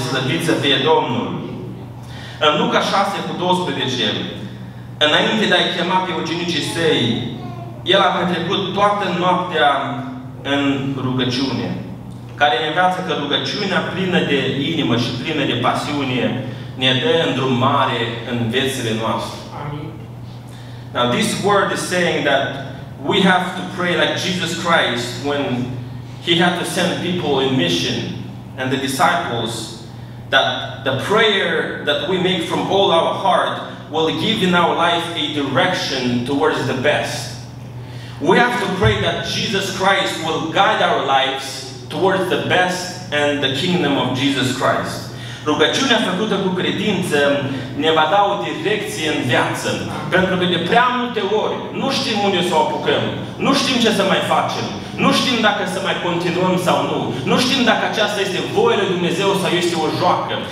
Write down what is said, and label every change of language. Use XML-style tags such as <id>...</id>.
<ro>Slăvit să fie Domnul! În Luca 6, cu 12, înainte de a-i chema pe ucenicii săi, el a petrecut toată noaptea în rugăciune, care ne învață că rugăciunea plină de inimă și plină de pasiune ne dă în drum mare în viețile noastre. Amin.</ro> <en>Now this word is saying that we have to pray like Jesus Christ when he had to send people in mission and the disciples, that the prayer that we make from all our heart will give in our life a direction towards the best. We have to pray that Jesus Christ will guide our lives towards the best and the kingdom of Jesus Christ.</en> <ro>Rugăciunea făcută cu credință ne va da o direcție în viață. Pentru că de prea multe ori nu știm unde să o apucăm. Nu știm ce să mai facem. Nu știm dacă să mai continuăm sau nu. Nu știm dacă aceasta este voia lui Dumnezeu sau este o joacă.</ro>